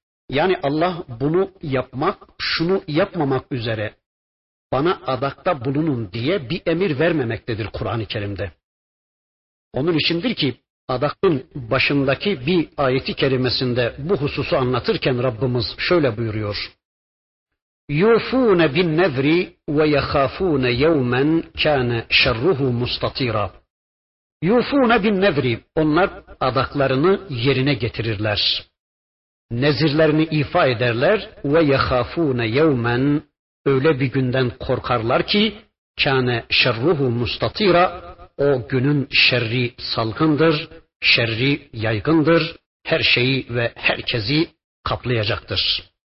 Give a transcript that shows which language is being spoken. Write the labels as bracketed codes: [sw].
[tr] Yani Allah bunu yapmak, şunu yapmamak üzere bana adakta bulunun diye bir emir vermemektedir Kur'an-ı Kerim'de. Onun içindir ki adakın başındaki bir ayeti kerimesinde bu hususu anlatırken Rabbimiz şöyle buyuruyor. [ar] يُوفُونَ بِالنَّذْرِ وَيَخَافُونَ يَوْمًا كَانَ شَرُّهُ مُسْتَطِيرًا يُوفُونَ بِالنَّذْرِ [tr] Onlar adaklarını yerine getirirler. Nezirlerini ifa ederler. [ar] وَيَخَافُونَ يَوْمًا [tr] Öyle bir günden korkarlar ki [ar] كَانَ شَرُّهُ مُسْتَطِيرًا [tr] O günün şerri salgındır, şerri yaygındır, her şeyi ve herkesi kaplayacaktır.